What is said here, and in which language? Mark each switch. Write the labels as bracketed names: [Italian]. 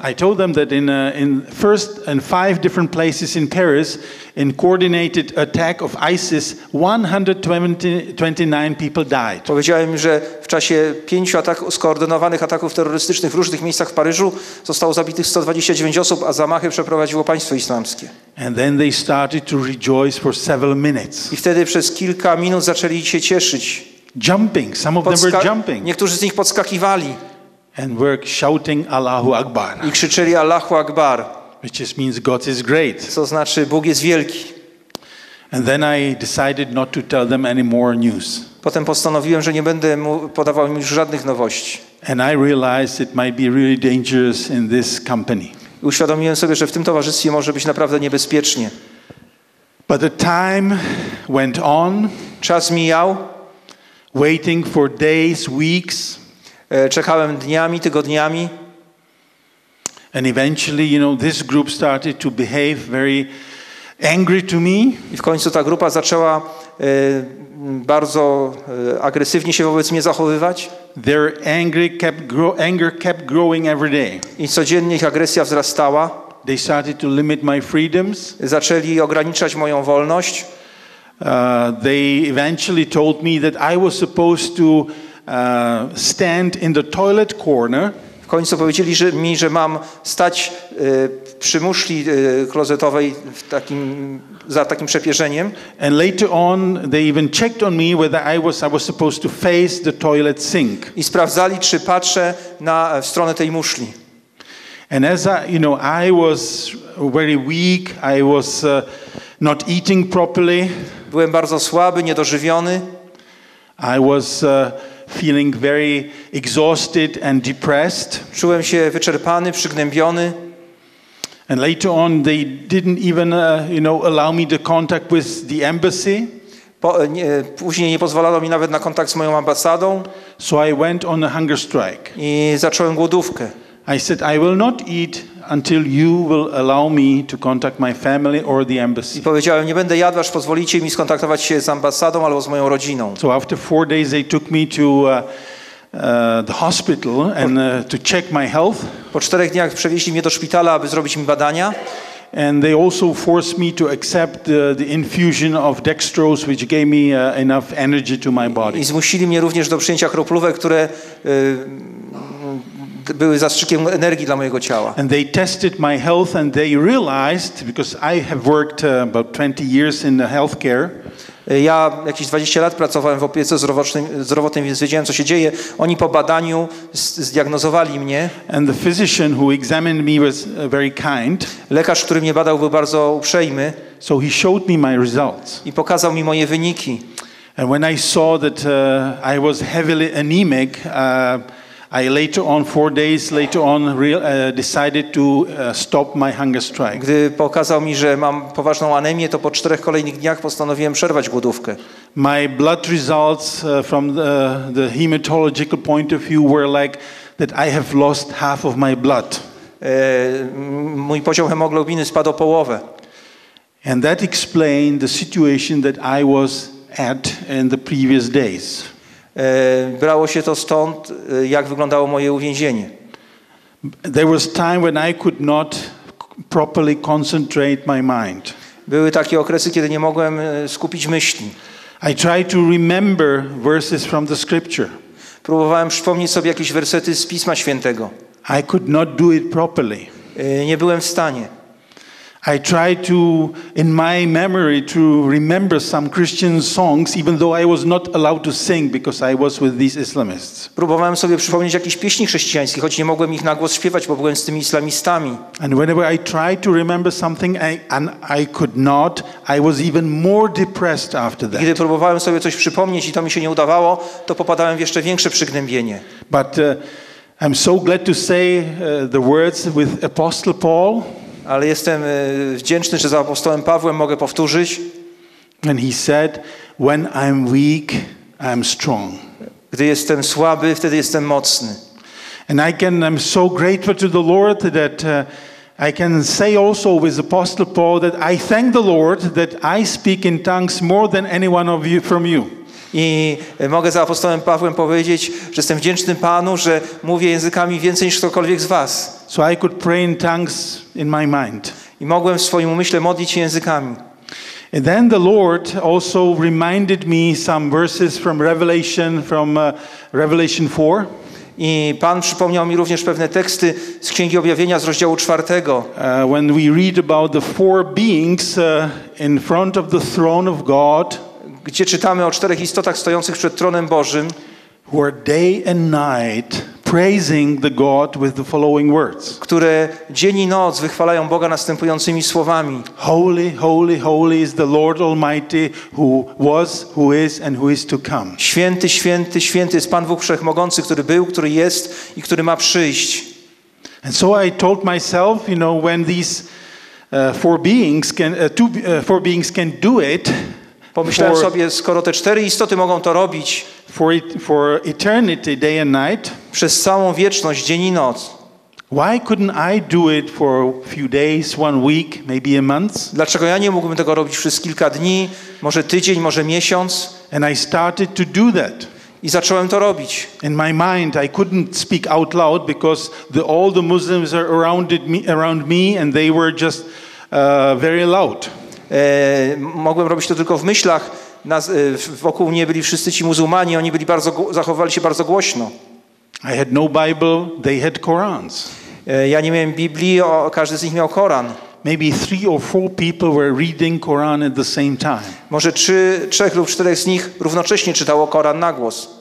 [English] I told them that in first and five different places in Paris, in coordinated attack of ISIS, 129 people died. [Polish] Powiedziałem, że w czasie pięciu skoordynowanych ataków terrorystycznych w różnych miejscach w Paryżu zostało zabitych 129 osób, a zamachy przeprowadziło państwo islamskie. [English] And then they started to rejoice for several minutes. [Polish] I wtedy przez kilka minut zaczęli się cieszyć. [English] Jumping, some of them were jumping. [Polish] Niektórzy z nich podskakiwali. [English] And were shouting Allahu Akbar. [Polish] I krzyczeli Allahu Akbar. [English] Which just means God is great. [Polish] Co znaczy Bóg jest wielki. [English] And then I decided not to tell them any more news. [Polish] Potem postanowiłem, że nie będę podawał im już żadnych nowości. [English] And I realized it might be really dangerous in this company. [Polish] Uświadomiłem sobie, że w tym towarzystwie może być naprawdę niebezpiecznie. [English] But the time went on. [Polish] Czas mijał. [English] Waiting for days, weeks. [Polish] Czekałem dniami, tygodniami. [English] And eventually, you know, this group started to behave very angry to me. [Polish] I w końcu ta grupa zaczęła bardzo agresywnie się wobec mnie zachowywać. [English] Their anger kept growing every day. [Polish] I codziennie ich agresja wzrastała. [English] They started to limit my freedoms. [Polish] Zaczęli ograniczać moją wolność. [English] They eventually told me that I was supposed to stand in the toilet corner. [Polish] W końcu powiedzieli mi, że mam stać przy muszli klozetowej w takim, za takim przepierzeniem. [English] And later on they even checked on me whether I was supposed to face the toilet sink. [Polish] I sprawdzali, czy patrzę na w stronę tej muszli. [English] And as I was very weak, I was not eating properly. [Polish] Byłem bardzo słaby, niedożywiony. [English] I was feeling very exhausted and depressed. [Polish] Czułem się wyczerpany, przygnębiony. [English] And later on they didn't even allow me the contact with the embassy. [Polish] Później nie pozwalano mi nawet na kontakt z moją ambasadą. [English] So I went on a hunger strike. [Polish] I zacząłem głodówkę. [English] I said I will not eat until you will allow me to contact my family or the embassy. [Polish] I powiedziałem, nie będę jadł, aż pozwolicie mi skontaktować się z ambasadą albo z moją rodziną. [English] So after 4 days they took me to the hospital and to check my health. [Polish] Po 4 dniach przewieźli mnie do szpitala, aby zrobić mi badania. [English] And they also forced me to accept the infusion of dextrose, which gave me enough energy to my body. [Polish] I zmusili mnie również do przyjęcia kroplówek, które były zastrzykiem energii dla mojego ciała. [English] And they tested my health and they realized, because I have worked about 20 years in the healthcare. [Polish] Ja jakieś 20 lat pracowałem w opiece zdrowotnej, więc wiedziałem, co się dzieje. Oni po badaniu zdiagnozowali mnie. [English] And the physician who examined me was very kind. [Polish] Lekarz, który mnie badał, był bardzo uprzejmy. [English] So he showed me my results. [Polish] I pokazał mi moje wyniki. [English] And when I saw that I was heavily anemic, I later on, 4 days later on, decided to stop my hunger strike. [Polish] Gdy pokazał mi, że mam poważną anemię, to po 4 kolejnych dniach postanowiłem przerwać głodówkę. [English] My blood results from the hematological point of view were like that I have lost half of my blood. [Polish] Mój poziom hemoglobiny spadł o połowę. [English] And that explained the situation that I was at in the previous days. [Polish] Brało się to stąd, jak wyglądało moje uwięzienie. [English] There was time when I could not properly concentrate my mind. [Polish] Były takie okresy, kiedy nie mogłem skupić myśli. [English] I tried to remember verses from the scripture. [Polish] Próbowałem przypomnieć sobie jakieś wersety z Pisma Świętego. [English] I could not do it properly. [Polish] Nie byłem w stanie. [English] I try to, in my memory, to remember some Christian songs, even though I was not allowed to sing because I was with these Islamists. [Polish] Próbowałem sobie przypomnieć jakieś pieśni chrześcijańskie, choć nie mogłem ich na głos śpiewać, bo byłem z tymi islamistami. [English] And whenever I tried to remember something and I could not, I was even more depressed after that. [Polish] Gdy próbowałem sobie coś przypomnieć i to mi się nie udawało, to popadałem w jeszcze większe przygnębienie. [English] But I'm so glad to say the words with Apostle Paul. [Polish] Ale jestem wdzięczny, że za apostołem Pawłem mogę powtórzyć. [English] And he said, when I'm weak, I'm strong. [Polish] Gdy jestem słaby, wtedy jestem mocny. [English] And I'm so grateful to the Lord that I can say also with Apostle Paul that I thank the Lord that I speak in tongues more than anyone of you from you. [Polish] I mogę za apostołem Pawłem powiedzieć, że jestem wdzięczny Panu, że mówię językami więcej niż ktokolwiek z was. [English] So I could pray in tongues in my mind. [Polish] I mogłem w swoim umyśle modlić się językami. [English] And then the Lord also reminded me some verses from Revelation, Revelation 4. [Polish] I Pan przypomniał mi również pewne teksty z Księgi Objawienia z rozdziału 4. [English] When we read about the four beings in front of the throne of God, [Polish] gdzie czytamy o czterech istotach stojących przed tronem Bożym, [English] were day and night praising the God with the following words, [Polish] które dzień i noc wychwalają Boga następującymi słowami: [English] Holy, holy, holy is the Lord Almighty, who was, who is and who is to come. [Polish] Święty, święty, święty jest Pan Bóg Wszechmogący, który był, który jest i który ma przyjść. [English] And so I told myself, you know, when these four beings can do it, [Polish] pomyślałem sobie, skoro te cztery istoty mogą to robić [English] for eternity, day and night, [Polish] przez całą wieczność, dzień i noc, [English] why couldn't I do it for a few days, one week, maybe a month? [Polish] Dlaczego ja nie mógłbym tego robić przez kilka dni, może tydzień, może miesiąc? [English] And I started to do that. [Polish] I zacząłem to robić. [English] In my mind, I couldn't speak out loud because all the Muslims are around me and they were just very loud. [Polish] Mogłem robić to tylko w myślach. Wokół mnie byli wszyscy ci muzułmanie, oni byli bardzo, zachowywali się bardzo głośno. [English] I had no Bible, they had Korans. [Polish] Ja nie miałem Biblii, każdy z nich miał Koran. [English] Maybe three or four people were reading Koran at the same time. [Polish] Może trzech lub czterech z nich równocześnie czytało Koran na głos.